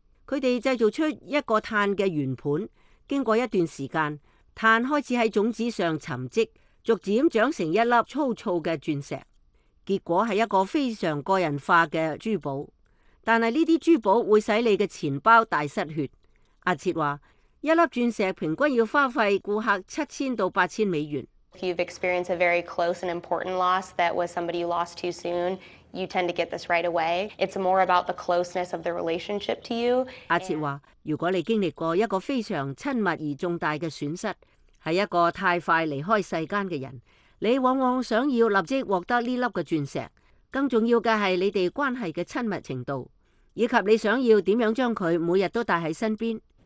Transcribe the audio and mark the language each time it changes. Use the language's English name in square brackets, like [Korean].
[Chinese] 他们制造出一个碳的圆盘，经过一段时间，碳开始在种子上沉积，逐渐长成一粒粗糙的钻石。结果是一个非常个人化的珠宝。但是这些珠宝会使你的钱包大失血。阿切说，一粒钻石平均要花费顾客7000到8000美元。 [English] If you've experienced a very close and important loss that was somebody you lost too soon, you tend to get this right away. It's more about the closeness of the relationship to you. [Chinese] 阿切说，如果你经历过一个非常亲密而重大的损失，是一个太快离开世间的人，你往往想要立即获得这粒的钻石。更重要的是你们关系的亲密程度，以及你想要怎样将它每日都带在身边。